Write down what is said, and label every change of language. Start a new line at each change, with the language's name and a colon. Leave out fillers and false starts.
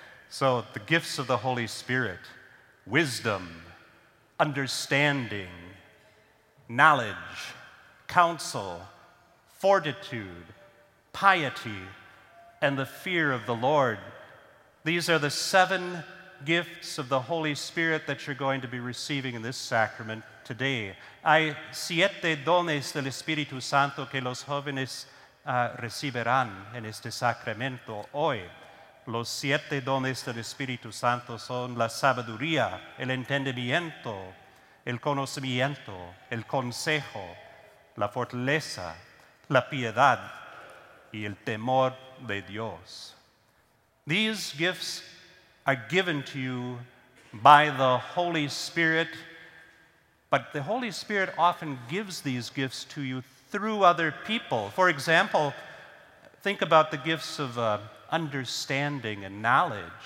English: So the gifts of the Holy Spirit: wisdom, understanding, knowledge, counsel, fortitude, piety, and the fear of the Lord. These are the seven gifts of the Holy Spirit that you're going to be receiving in this sacrament today.
Spanish: Hay siete dones del Espíritu Santo que los jóvenes recibirán en este sacramento hoy. Los siete dones del Espíritu Santo son la sabiduría, el entendimiento, el conocimiento, el consejo, la fortaleza, la piedad, y el temor de Dios.
English: These gifts are given to you by the Holy Spirit, but the Holy Spirit often gives these gifts to you through other people. For example, think about the gifts of understanding and knowledge.